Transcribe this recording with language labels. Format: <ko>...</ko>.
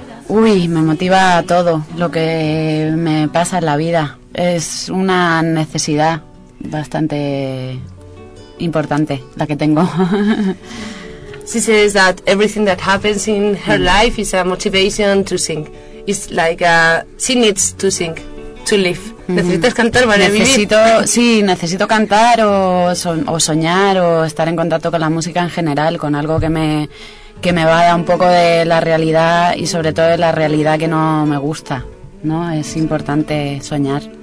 <es>Uy, me motiva todo lo que me pasa en la vida. Es una necesidad bastante importante la que tengo.</es> <en>She says that everything that happens in her life is a motivation to sing. It's like she needs to sing, to live.</en> <es>Mm-hmm. ¿Necesitas cantar para vivir? Sí, necesito cantar o soñar o estar en contacto con la música en general, con algo que me va a dar un poco de la realidad y sobre todo de la realidad que no me gusta, ¿no? Es importante soñar.</es>